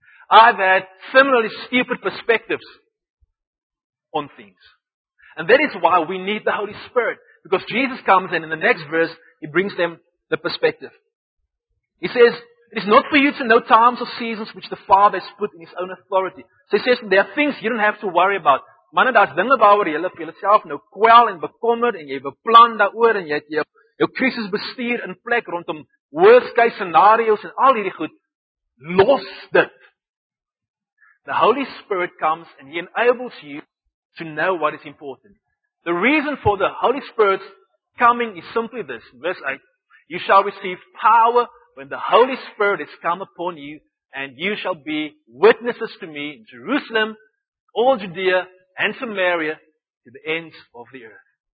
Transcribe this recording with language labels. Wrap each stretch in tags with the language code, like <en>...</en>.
<en>I've had similarly stupid perspectives on things. And that is why we need the Holy Spirit. Because Jesus comes and in the next verse, He brings them the perspective. He says, it is not for you to know times or seasons which the Father has put in His own authority. So He says, there are things you don't have to worry about.</en> <af>Man, daar's dinge waaroor jy vir jouself nou kwel en bekommer en jy beplan daaroor en jy het jou krisis bestuur in plek rondom worst-case scenarios en al hierdie goed. Los dit.</af> <en>The Holy Spirit comes and He enables you to know what is important. The reason for the Holy Spirit's coming is simply this. Verse 8, you shall receive power when the Holy Spirit has come upon you, and you shall be witnesses to me in Jerusalem, all Judea, and Samaria, to the ends of the earth.</en>